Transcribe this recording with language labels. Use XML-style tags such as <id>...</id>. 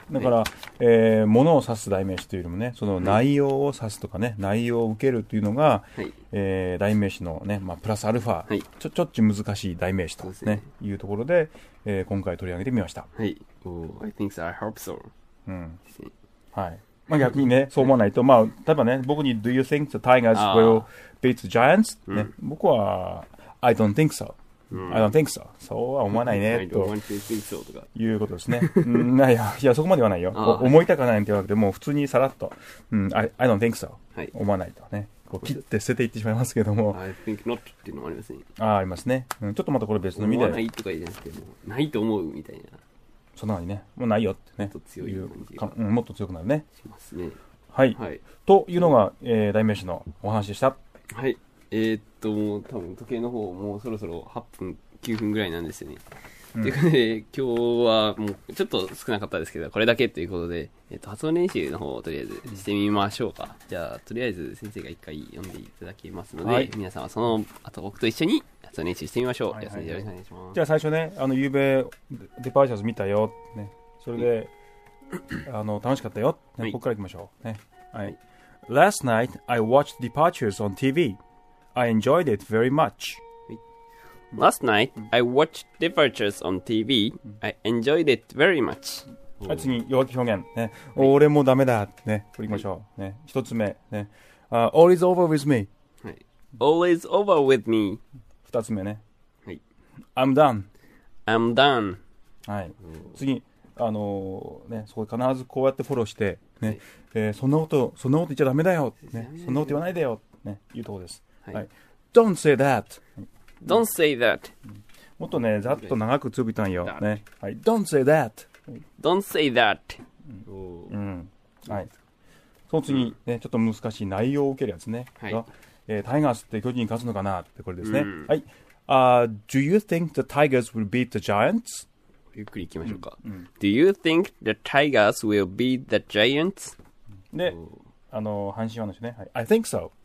<ja>だから、ね、物を指す代名詞というよりもね、その内容を指すとかね、はい、内容を受けるっていうのが、はい、代名詞のね、まあ、プラスアルファ、はい、ちょっと難しい代名詞と、ねね、いうところで、今回取り上げてみました。</ja> <en>はい。Oh, I think so. I hope so.</en> <ja>うん。はい。まあ、逆にね、そう思わないと、まあ、例えばね、僕に</ja> <en>Do you think the Tigers will beat the Giants?、うん、</en> <ja>ね、僕は</ja> <en>I don't think so.、</en> <ja>うん、</ja> <en>I don't think so.</en> <ja>そうは思わないね、</ja> <en>と。I don't want to think so とか。</en> <ja>いうことですね。いや、そこまではないよ。思いたくないって言わなくて、もう普通にさらっと、うん、</ja> <en>I don't think so.、</en> <ja>はい、思わないとね。こう切って捨てていってしまいますけども。</ja> <en>I think not</en> <ja>っていうのもありますね。ああ、ありますね、うん。ちょっとまたこれ別の意味で。思わないとか言ってもないと思うみたいな。そんなにね、もうないよってね、もっと強い感じが、うん、もっと強くなるね。しますね。はい。はい、というのが、代名詞のお話でした。はい。もう多分時計の方もうそろそろ8分、9分ぐらいなんですよね。と、うん、いうことで、今日はもうちょっと少なかったですけど、これだけということで、発音練習の方をとりあえずしてみましょうか。じゃあ、とりあえず先生が一回読んでいただきますので、はい、皆さんはその後僕と一緒に、そう練習してみましょう。はいはいはい、よろしくお願いします。じゃあ最初ね、ゆうべデパーチャーズ見たよ、ね、それで、うん、楽しかったよ、ね、はい、ここからいきましょう、ね、はい、</ja> <en>Last night I watched Departures on TV. I enjoyed it very much.、はい、Last night I watched Departures on TV. I enjoyed it very much.、</en> <ja>はい、次、弱気表現、ね、はい、俺もダメだ、ね、振りましょう、はい、ね、一つ目、ね、</ja> <en>All is over with me.、はい、All is over with me.</en> <ja>二つ目ね。はい。</ja> <en>I'm done. I'm done.</en> <ja>はい。次、ね、そこで必ずこうやってフォローして、ね、はい、そんなこと、そんなこと言っちゃダメだよ。ね、そんなこと言わないでよ。ね、いうとこです。はい。</ja> <en>Don't say that. Don't say that.</en> <ja>もっとね、ざっと長く強く言ったんよ。</ja> <en>ね。はい。Don't say that. Don't say that.</en> <ja>うん。はい。その次、ね、ちょっと難しい内容を受けるやつね。はい。タイガースって巨人に勝つのかなってこれですね、</ja> <en>うん、はい、Do you think the Tigers will beat the Giants?</en> <ja>ゆっくりいきましょうか、うんうん、</ja> <en>Do you think the Tigers will beat the Giants?</en> <ja>で、阪神話の人ね、はい、</ja> <en>I think so</en>